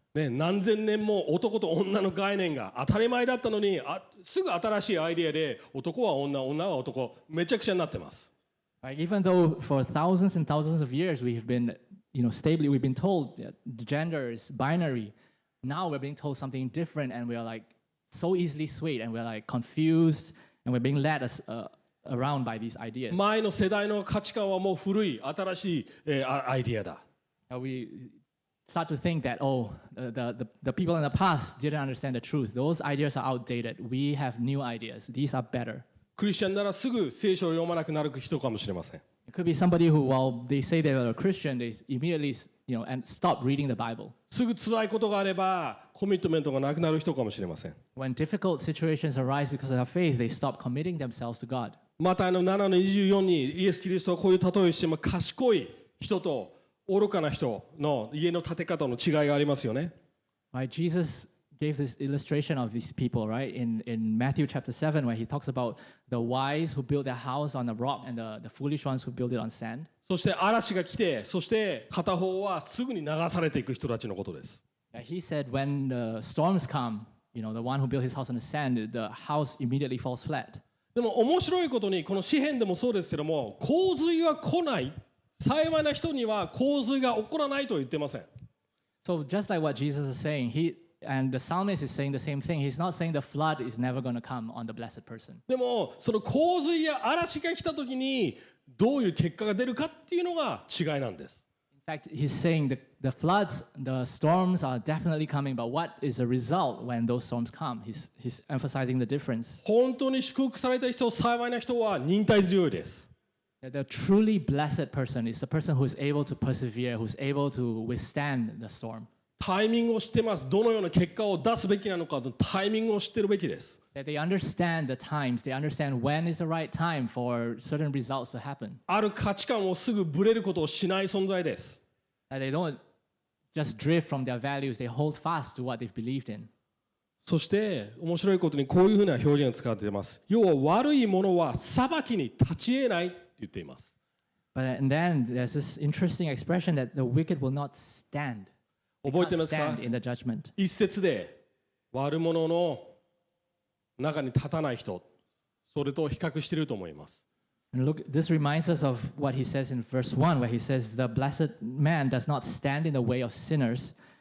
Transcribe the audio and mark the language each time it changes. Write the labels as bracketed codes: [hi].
[ja] ね、何千年も男と女の概念が当たり前だったのに、すぐ新しいアイデアで男は女、女は男、めちゃくちゃになってます。 [en] Like, even though for thousands and thousands of years we've been, you know, stably, we've been told that gender is binary. Now we're being told something different and we are like,so easily swayed and we're like confused and we're being led us, around by these ideas. [ja] 前の世代の価値観はもう古い新しい、アイデアだ。 [en] And we start to think that, oh, the people in the past didn't understand the truth. Those ideas are outdated. We have new ideas. These are better. [ja] クリスチャンならすぐ聖書を読まなくなる人かもしれません。 [en] It could be somebody who, while they say they are a Christian, they immediately, you know, and stop reading the Bible. [ja] すぐ辛いことがあれば、コミットメントがなくなる人かもしれません。 [en] When difficult situations arise because of their faith, they stop committing themselves to God. [ja] また7-24にイエス・キリストはこういう例えをしても、賢い人と愚かな人の家の建て方の違いがありますよね。 [en] Right, Jesus gave this illustration of these people, right? In Matthew chapter 7, where he talks about the wise who built their house on a rock and the foolish ones who built it on sand. [ja] そして嵐が来て、そして片方はすぐに流されていく人たちのことです。 [en] He said, when the storms come, you know, the one who built his house on the sand, the house immediately falls flat. [ja] でも面白いことに、この詩篇でもそうですけども、洪水は来ない。幸いな人には洪水が起こらないと言ってません。 [en] So just like what Jesus is saying, he and the psalmist is saying the same thing. He's not saying the flood is never going to come on the blessed person. [ja] でもその洪水や嵐が来た時にどういう結果が出るかっていうのが違いなんです。 [en] In fact, he's saying the floods, the storms are definitely coming, but what is the result when those storms come? He's emphasizing the difference. [ja] 本当に祝福された人、幸いな人は忍耐強いです。 [en] The truly blessed person is the person who is able to persevere, who is able to withstand the storm. [ja] タイミングを知ってます。どのような結果を出すべきなのかのタイミングを知ってるべきです。 [en] That they understand the times, they understand when is the right time for certain results to happen. [ja] ある価値観をすぐぶれることをしない存在です。 [en] That they don't just drift from their values, they hold fast to what they've believed in. [ja] そして面白いことにこういうふうな表現を使っています。要は悪いものは裁きに立ち得ないって言っています。 [en] But and then there's this interesting expression that the wicked will not stand. [ja] 覚えてますか？ [en] Stand in the judgment. [ja] 一節で悪者の中に立たない人、それと比較していると思います。 [en] And look, this reminds us of what he says in verse 1, where he says, the blessed man does not stand in the way of sinners.